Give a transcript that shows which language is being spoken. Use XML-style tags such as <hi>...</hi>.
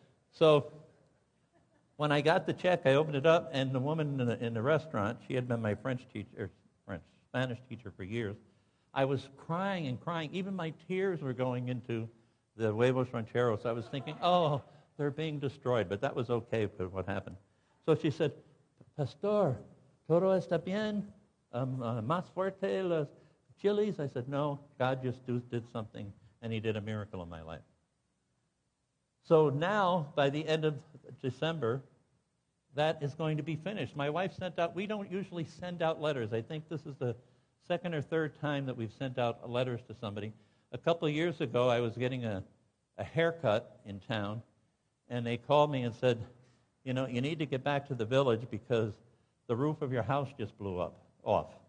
<en>So when I got the check, I opened it up, and the woman in the restaurant, she had been my Spanish teacher for years. I was crying and crying. Even my tears were going into the huevos rancheros. I was thinking, oh, they're being destroyed. But that was okay for what happened. So she said,</en> <es>Pastor, todo está bien, más fuerte los chilies.</es> <en>I said, no, God just did something, and he did a miracle in my life. So now, by the end of December, that is going to be finished. My wife sent out, we don't usually send out letters. I think this is the second or third time that we've sent out letters to somebody. A couple of years ago, I was getting a haircut in town, and they called me and said, you know, you need to get back to the village because the roof of your house just blew up, off.</en>